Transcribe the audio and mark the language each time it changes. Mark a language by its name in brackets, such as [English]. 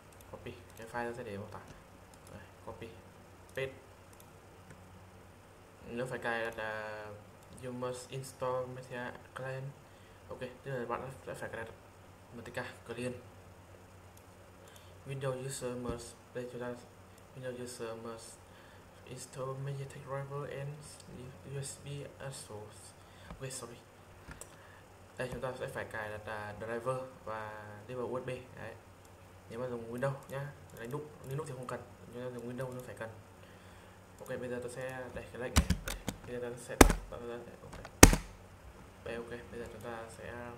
[Vietnamese] Copy, cái file sẽ để mô tả. Đây, copy, paste. Nếu phải cài đặt [English] you must install MediaTek. [Vietnamese] Ok, tức là bạn sẽ phải cài đặt MediaTek. [English] Windows user must, [Vietnamese] đây chúng ta, [English] Windows user must install MediaTek Driver and LibUSB as source. Ok, sorry. [Vietnamese] Đây chúng ta sẽ phải cài đặt driver và LibUSB. Đấy. Nếu mà dùng Windows nhá, Linux, Linux thì không cần, nhưng mà dùng Windows nó phải cần. Ok, bây giờ tôi sẽ đẩy cái lệnh này. Bây giờ tôi sẽ tạo ra để ok. Đây, ok, bây giờ chúng ta sẽ